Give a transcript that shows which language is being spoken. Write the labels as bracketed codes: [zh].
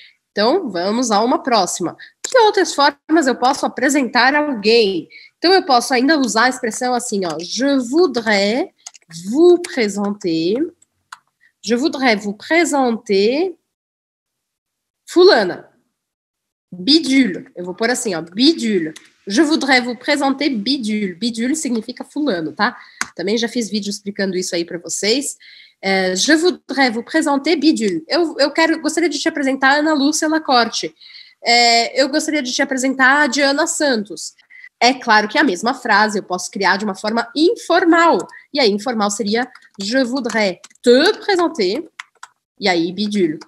[pt] Então, vamos a uma próxima. Que outras formas eu posso apresentar alguém? Então, eu posso ainda usar a expressão assim, ó. [fr] Je voudrais vous présenter... Je voudrais vous présenter fulana, bidule. [pt] Eu vou pôr assim, ó, bidule. [fr] Je voudrais vous présenter bidule. [pt] Bidule significa fulano, tá? Também já fiz vídeo explicando isso aí para vocês. [fr] Je voudrais vous présenter bidule. [pt] Eu gostaria de te apresentar Ana Lúcia Lacorte. Eu gostaria de te apresentar a Diana Santos. É claro que é a mesma frase, eu posso criar de uma forma informal. E aí, informal seria, [fr] je voudrais te présenter, [pt] e aí, bidule.